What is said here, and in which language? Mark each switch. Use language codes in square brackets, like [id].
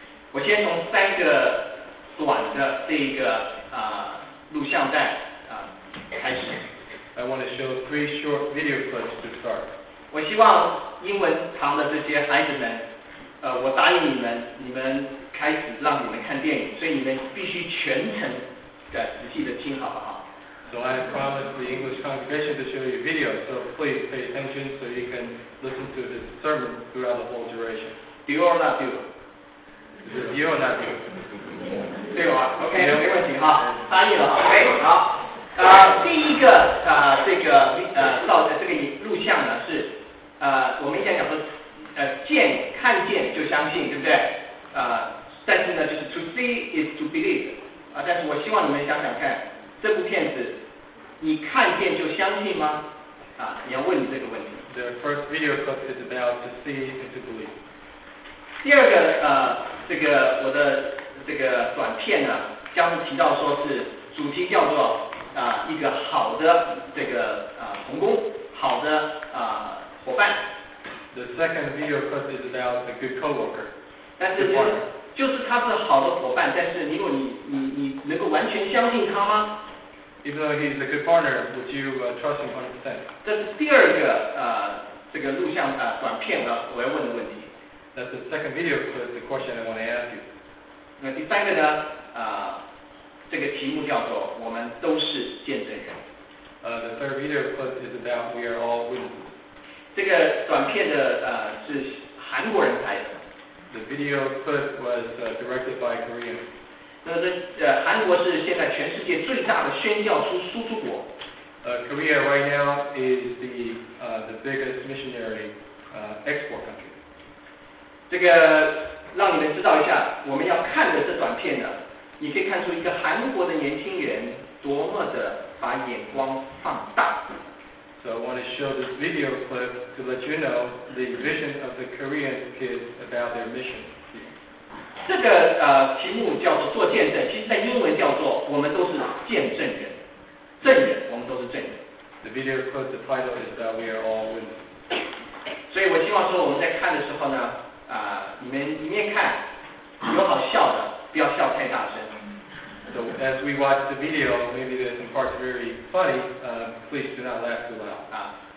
[zh] 我先从三个短的这一个录像带开始。 [en] I want to show three short video clips to start。 [zh] 我希望英文堂的这些孩子们，我答应你们，你们开始让你们看电影，所以你们必须全程的仔细的听，好不好 [en] ？So I promised the English congregation to show you video, so please pay attention so you can. Listen to this sermon throughout the whole duration. Do you or not do? Is it you or not do? [zh] 对吧 ？OK， 没问题哈，答应了 ，OK， 好。第一个这个照的这个录像呢是我们以前讲说见看见就相信，对不对？但是呢就是 [en] to see is to believe [zh] 但是我希望你们想想看，这部片子你看见就相信吗？你要问你这个问题。 [en] The first video clip is about to see and to believe. [zh] 第二个这个我的这个短片呢，将会提到说是主题叫做一个好的这个同工，好的伙伴。 [en] The second video clip is about a good coworker. [zh] 但是就是他是好的伙伴，但是如果你能够完全相信他吗？ [en] Even though he's a good partner, would you trust him 100%? [zh] 这是第二个这个录像短片的我要问的问题。 [en] That's the second video clip, the question I want to ask you. [zh] 那第三个呢？这个题目叫做我们都是见证人。 [en] The third video clip is about we are all witnesses. [zh] 这个短片的是韩国人拍的。 [en] The video clip was directed by a Korean. [zh] 那这韩国是现在全世界最大的宣教输出国。 [en] Korea right now is the biggest missionary export country. [zh] 这个让你们知道一下，我们要看的这短片呢，你可以看出一个韩国的年轻人多么的把眼光放大。 [en] So I want to show this video clip to let you know the vision of the Korean kids about their mission. [zh] 这个题目叫做做见证，其实在英文叫做我们都是见证人，证人，我们都是证人。 [en] The video clip, the title is that we are all witnesses. [zh] 所以我希望说我们在看的时候呢，你们看，有好笑的，不要笑太大声。 [en] So as we watch the video, maybe there's some parts very funny, please do not laugh too loud.